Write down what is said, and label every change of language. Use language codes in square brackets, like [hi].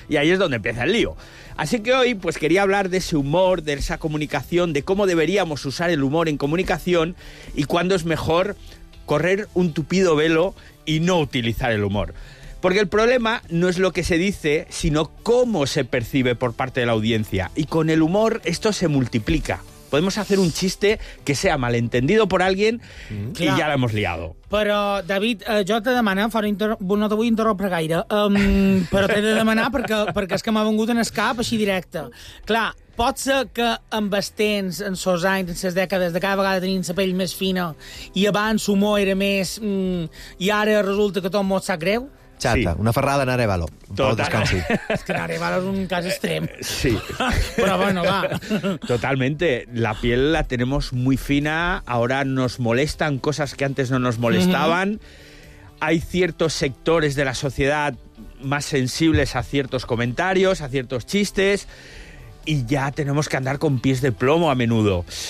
[es] Y ahí es donde empieza el lío. Así que hoy, pues quería hablar de ese humor, de esa comunicación, de cómo deberíamos usar el humor en comunicación y cuándo es mejor correr un tupido velo y no utilizar el humor. Porque el problema no es lo que se dice, sino cómo se percibe por parte de la audiencia. Y con el humor esto se multiplica. Podemos hacer un chiste que sea malentendido por alguien y ja l'hemos liado. [ca] Però, David, jo te demano, no te vull interrompre gaire, però t'he de demanar perquè és que m'ha vengut en el cap així directe. Clar, pot ser que amb els temps, en els anys, en les dècades, de cada vegada tenint la pell més fina i abans l'humor era més... i ara resulta que tot molt sap greu? Chata, sí. Una ferrada en Arevalo. Total. És que Arevalo és un cas extrem. Sí. Però bueno, va. [es] Totalmente. La piel la tenemos muy fina, ahora nos molestan cosas que antes no nos molestaban. Hay ciertos sectores de la sociedad más sensibles a ciertos comentarios, a ciertos chistes, y ya tenemos que andar con pies de plomo a menudo.